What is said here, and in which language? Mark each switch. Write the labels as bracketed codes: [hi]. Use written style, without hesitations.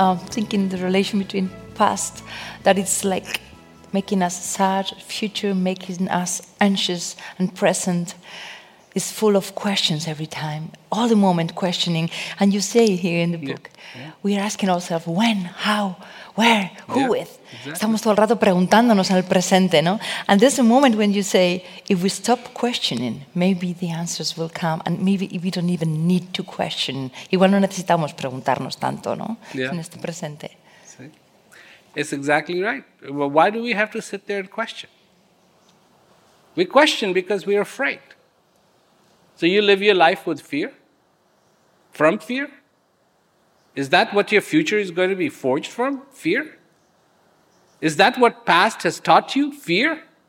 [en] Thinking the relation between past, that it's like making us sad, future making us anxious, and present is full of questions every time, all the moment questioning. And you say here in the book, we are asking ourselves when, how, where, who with. Exactly. [es] Estamos todo el rato preguntándonos en el presente, ¿no? [en] And there's a moment when you say, if we stop questioning, maybe the answers will come, and maybe we don't even need to question. [es] Igual no necesitamos preguntarnos tanto, ¿no? [en] Yeah. [es] En este presente. [en] It's exactly right. Well, why do we have to sit there and question? We question because we're afraid. So you live your life with fear? From fear? Is that what your future is going to be forged from? Fear? Is that what past has taught you? Fear?